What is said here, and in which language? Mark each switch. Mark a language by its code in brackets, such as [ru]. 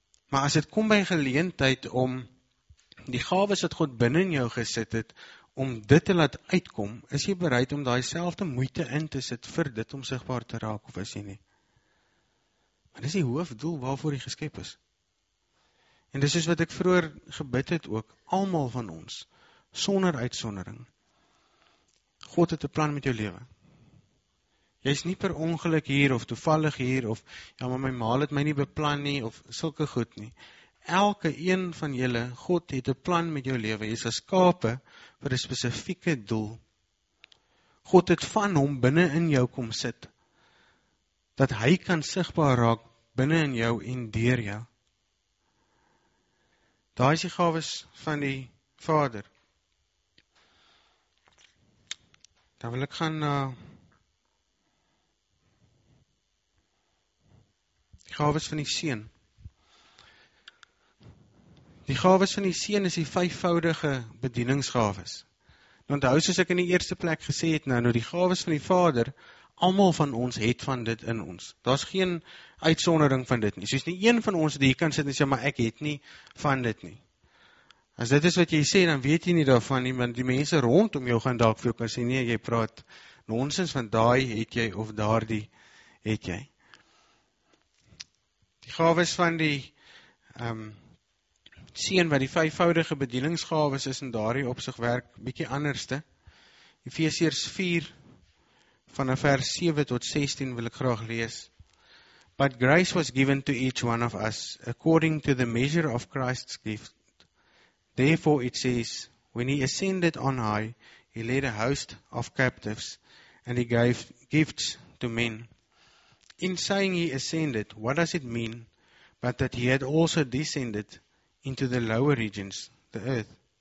[af] Maar as het kom by geleentheid om die gawes wat God binnen jou gesit het, om dit te laat uitkom, is jy bereid om daai selfde moeite in te sit vir dit om sigbaar te raak, of is jy nie? Maar dis die hoofdoel waarvoor jy geskep is. En dis is wat ek vroeger gebid het ook, almal van ons, sonder uitsondering. God het 'n plan met jou lewe. Jy is nie per ongeluk hier, of toevallig hier, of, ja, maar my maal het my nie beplan nie, of sulke goed nie. Elke een van julle, God het 'n plan met jou lewe, jy is geskape vir 'n spesifieke doel. God het van hom binnen in jou kom sit, dat hy kan sigbaar raak binnen in jou en deur jou. Daar is die gawes van die Vader. Dan wil ek gaan na die gawes van die Seun. Die gawes van die Seun is die vyfvoudige bedieningsgawes. Want hou soos ek in die eerste plek gesê het, nou die gawes van die Vader, almal van ons het van dit in ons. Daar is geen uitsondering van dit nie. Soos nie een van ons die kan sit en sê, maar ek het nie van dit nie. As dit is wat jy sê, dan weet jy nie daarvan nie, want die mense rondom jou gaan daar veel kan sê, nee, jy praat nonsens, want daai het jy of daardie het jy. Die gawes van die Seun wat die vyfvoudige bedieningsgawes is in daardie opsig werk, bietjie anderste. Efesiërs 4 vanaf vers 7 tot 16 wil ek graag lees. [en] But grace was given to each one of us according to the measure of Christ's gift. Therefore it says, when he ascended on high, he led a host of captives and he gave gifts to men. In saying he ascended, what does it mean but that he had also descended into the lower regions, the earth.